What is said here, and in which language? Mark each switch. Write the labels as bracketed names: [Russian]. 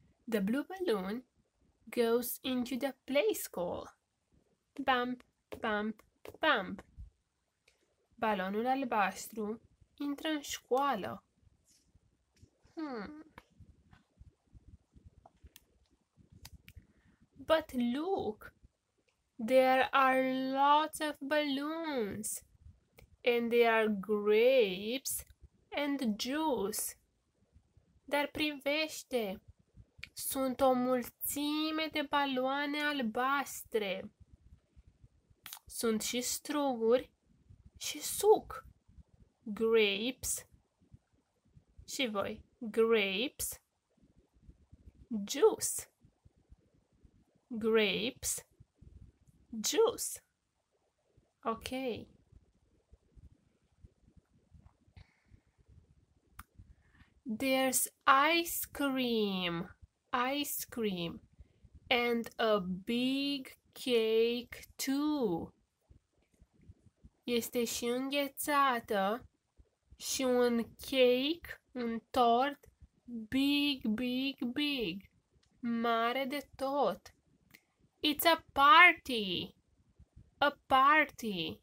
[English] The blue balloon goes into the play school. Bump, bump, bump. [Romanian] Balonul albastru intră în școală. [English] But look, there are lots of balloons, and there are grapes and juice. [Romanian] Dar privește, sunt o mulțime de baloane albastre. Sunt și struguri și suc. [English] Grapes. [Romanian] Și voi, [English] grapes, juice. Grapes, juice. Okay. There's ice cream, and a big cake too. [Romanian] Este și înghețată și un cake, un tort, [English] big, big, big, [Romanian] mare de tot. [English] It's a party. A party.